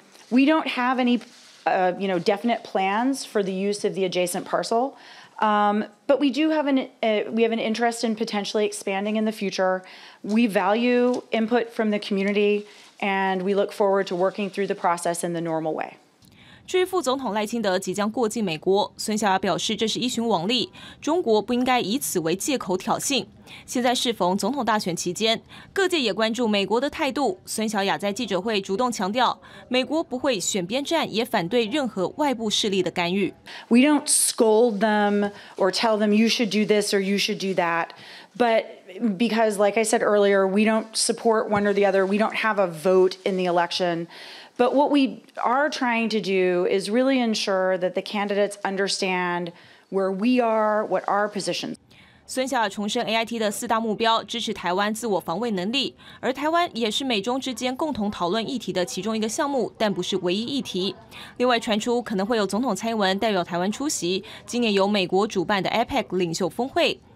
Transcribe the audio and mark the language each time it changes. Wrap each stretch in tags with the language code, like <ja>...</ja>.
<en>We don't have any, definite plans for the use of the adjacent parcel. But we do have an interest in potentially expanding in the future. We value input from the community, and we look forward to working through the process in the normal way.</en> <zh>至于副总统赖清德即将过境美国，孙小雅表示这是依循往例，中国不应该以此为借口挑衅。现在适逢总统大选期间，各界也关注美国的态度。孙小雅在记者会主动强调，美国不会选边站，也反对任何外部势力的干预。</zh> <en>We don't scold them or tell them you should do this or you should do that, but because, like I said earlier, we don't support one or the other. We don't have a vote in the election. But what we are trying to do is really ensure that the candidates understand where we are, what our positions.</en> <zh>孙小雅重申 AIT 的四大目标，支持台湾自我防卫能力，而台湾也是美中之间共同讨论议题的其中一个项目，但不是唯一议题。另外传出可能会有总统蔡英文代表台湾出席今年由美国主办的 APEC 领袖峰会。</zh>